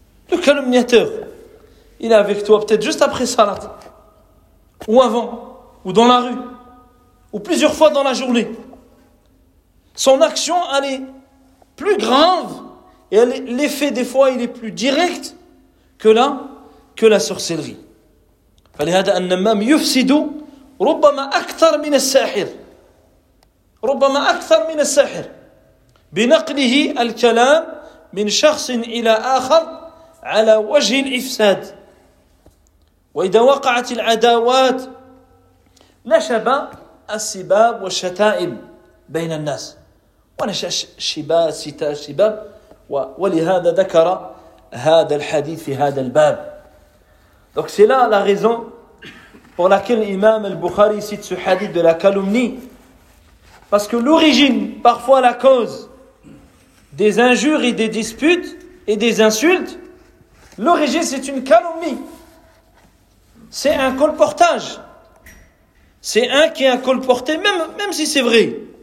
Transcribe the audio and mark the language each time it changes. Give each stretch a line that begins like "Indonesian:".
French: Le calomniateur, il est avec toi peut-être juste après salat. Ou avant. Ou dans la rue. Ou plusieurs fois dans la journée. Son action, elle est plus grave. Et l'effet, des fois, il est plus direct que la sorcellerie.
Arabic: Fallait hada un namam yufsidou. ربما أكثر من الساحر ربما أكثر من الساحر بنقله الكلام من شخص إلى آخر على وجه الإفساد وإذا وقعت العداوات نشب السباب والشتائم بين الناس ونشأ شباب ولهذا ذكر هذا الحديث في هذا الباب
French: donc c'est là la raison pour laquelle l'imam al-Bukhari cite ce hadith de la calomnie. Parce que l'origine, parfois la cause, des injures et des disputes et des insultes, l'origine c'est une calomnie. C'est un colportage. C'est un qui a colporté, même si c'est vrai.